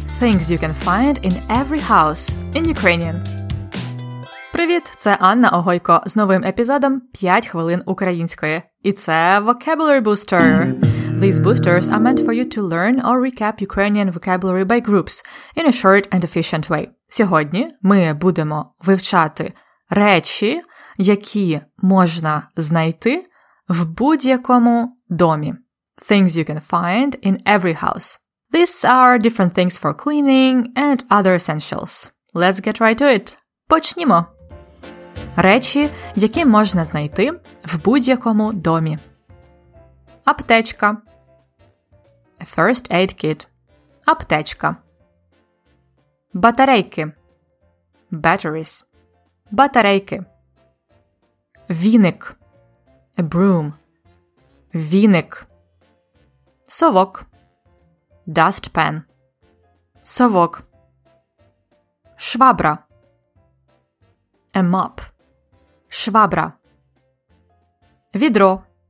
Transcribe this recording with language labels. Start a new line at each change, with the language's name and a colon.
English: Things you can find in every house in Ukrainian.
Ukrainian: Привіт, це Анна Огойко з новим епізодом 5 хвилин української. І це Vocabulary Booster.
English: These boosters are meant for you to learn or recap Ukrainian vocabulary by groups in a short and efficient way.
Ukrainian: Сьогодні ми будемо вивчати речі, які можна знайти в будь-якому домі.
English: Things you can find in every house. These are different things for cleaning and other essentials. Let's get right to it.
Ukrainian: Почнімо! Речі, які можна знайти в будь-якому домі. Аптечка. First aid kit. Аптечка. Батарейки. Batteries. Батарейки. Віник. A broom. Віник. Совок. Dustpan. Совок. Швабра. A mop. Швабра. Відро.